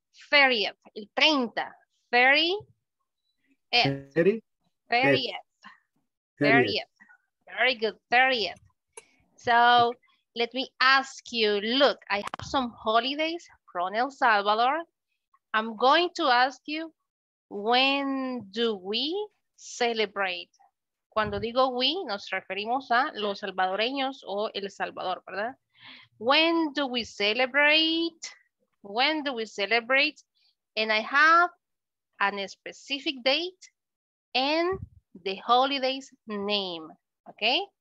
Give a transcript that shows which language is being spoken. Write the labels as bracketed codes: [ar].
[en] 30th, [es] el 30. [en] 30th. 30th. 30th. Very good, 30th. So, let me ask you, look, I have some holidays from El Salvador. I'm going to ask you, when do we celebrate? [es] Cuando digo we, nos referimos a los salvadoreños o El Salvador, ¿verdad? [en] When do we celebrate? When do we celebrate? And I have a specific date and the holiday's name, okay?